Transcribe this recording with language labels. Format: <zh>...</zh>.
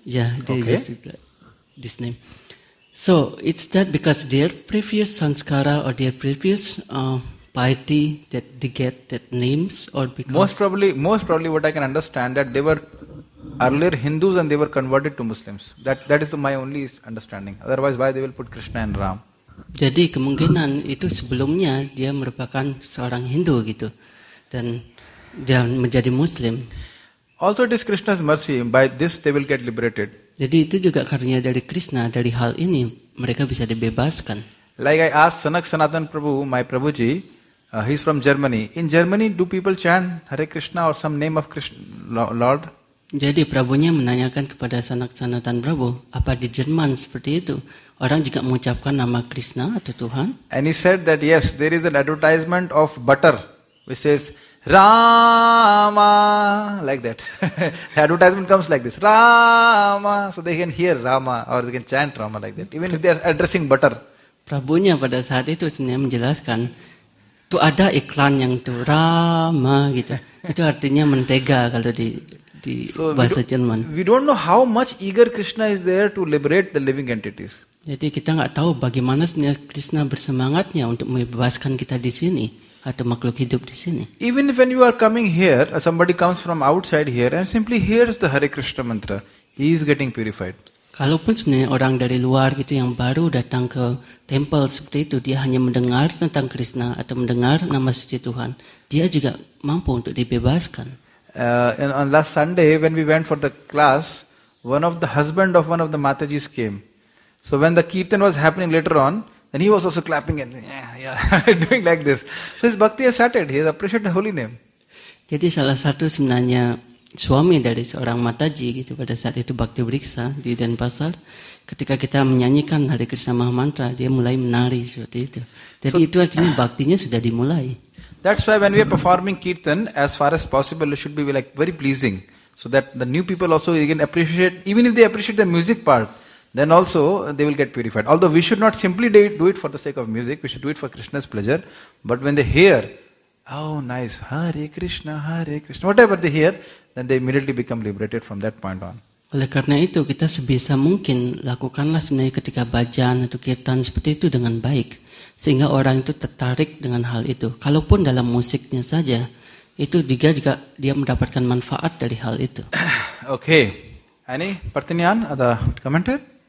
<en>Yeah, they used this name. So it's that because their previous sanskara or their previous piety that they get that names or because most probably what I can understand that they were earlier Hindus and they were converted to Muslims. That is my only understanding. Otherwise, why they will put Krishna and Ram?</en> <id>Jadi kemungkinan itu sebelumnya dia merupakan seorang Hindu gitu dan dan menjadi Muslim.</id> <en>Also it is Krishna's mercy, by this they will get liberated.</en> <id>Jadi itu juga karunia dari Krishna, dari hal ini mereka bisa dibebaskan.</id> <en>Like I asked Sanak Sanatan Prabhu, my Prabhuji, he's from Germany. In Germany do people chant Hare Krishna or some name of Krishna, Lord?</en> <id>Jadi Prabhunya menanyakan kepada Sanak Sanatan Prabhu, apa di Jerman seperti itu? Orang juga mengucapkan nama Krishna atau Tuhan?</id> <en>And he said that yes, there is an advertisement of butter, which says, Rama, like that. The advertisement comes like this, Rama. So they can hear Rama or they can chant Rama like that. Even if they are addressing butter.</en> <id>Prabhunya pada saat itu sebenarnya menjelaskan, tu ada iklan yang tu Rama gitu. Itu artinya mentega kalau di so bahasa Jerman.</id> <en>We don't know how much eager Krishna is there to liberate the living entities.</en> <id>Jadi kita enggak tahu bagaimana sebenarnya Krishna bersemangatnya untuk membebaskan kita di sini atau makhluk hidup di sini.</id> <en>Even when you are coming here, somebody comes from outside here and simply hears the Hare Krishna mantra, he is getting purified.</en> <id>Kalaupun sebenarnya orang dari luar gitu yang baru datang ke temple seperti itu, dia hanya mendengar tentang Krishna atau mendengar nama suci Tuhan, dia juga mampu untuk dibebaskan.</id> <en>On last Sunday when we went for the class, one of the husband of one of the Matajis came. So when the kirtan was happening later on, then he was also clapping and doing like this. So his bhakti has started. He has appreciated the holy name.</en> <id>Jadi salah satu sebenarnya suami dari seorang Mataji gitu pada saat itu Bhakti Briksa di Denpasar, ketika kita menyanyikan Hare Krishna Mahamantra, dia mulai menari seperti itu. Jadi so, itu artinya bhaktinya sudah dimulai.</id> <en>That's why when we are performing kirtan, as far as possible, it should be like very pleasing, so that the new people also can appreciate, even if they appreciate the music part, then also they will get purified. Although we should not simply do it for the sake of music, we should do it for Krishna's pleasure, but when they hear, oh nice, Hare Krishna, Hare Krishna, whatever they hear, then they immediately become liberated from that point on.</en> <id>Oleh karena itu, kita sebisa mungkin lakukanlah sebenarnya ketika bhajan atau kirtan seperti itu dengan baik, sehingga orang itu tertarik dengan hal itu. Kalaupun dalam musiknya saja, itu juga dia mendapatkan manfaat dari hal itu. Okay. Any pertanyaan atau komentar?</id>